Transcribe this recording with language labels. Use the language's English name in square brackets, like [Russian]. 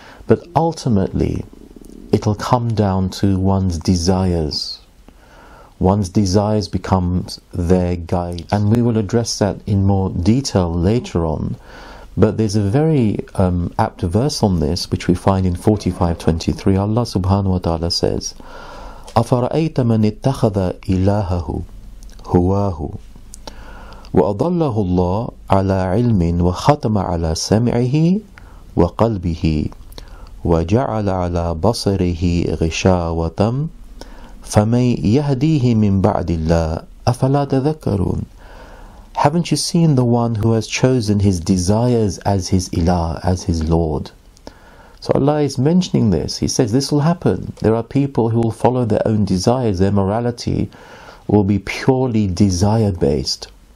[English] But ultimately, it'll come down to one's desires. One's desires become their guide. And we will address that in more detail later on. But there's a very apt verse on this, which we find in 45:23. [Arabic] Allah subhanahu wa ta'ala says, أَفَرَأَيْتَ مَنِ اتَّخَذَ إِلَٰهَهُ هُوَاهُ وَأَضَلَّهُ اللَّهُ عَلَىٰ عِلْمٍ وَخَتَمَ عَلَىٰ سَمِعِهِ وَقَلْبِهِ وَجَعَلَ عَلَىٰ بَصَرِهِ غِشَاوَةً فَمَنْ يَهْدِيهِ مِنْ بَعْدِ اللَّهِ أَفَلَا تَذَكَّرُونَ. [English] Haven't you seen the one who has chosen his desires as his ilah, as his lord? So Allah is mentioning this. He says this will happen. There are people who will follow their own desires. Their morality will be purely desire-based.